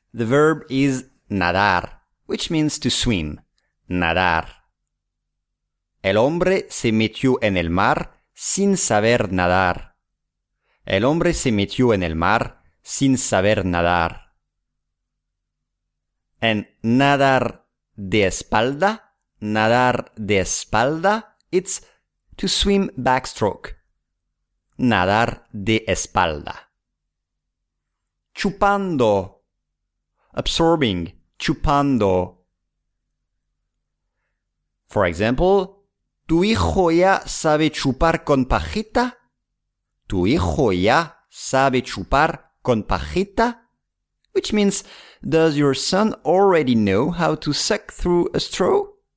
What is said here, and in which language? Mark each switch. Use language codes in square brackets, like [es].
[en] The verb is nadar, which means to swim. [es] Nadar. El hombre se metió en el mar sin saber nadar. El hombre se metió en el mar sin saber nadar. [en] And [es] nadar de espalda, nadar de espalda, [en] it's to swim backstroke. [es] Nadar de espalda. Chupando. Absorbing. Chupando. [en] For example, [es] tu hijo ya sabe chupar con pajita. Tu hijo ya sabe chupar con pajita. [en] Which means, does your son already know how to suck through a straw?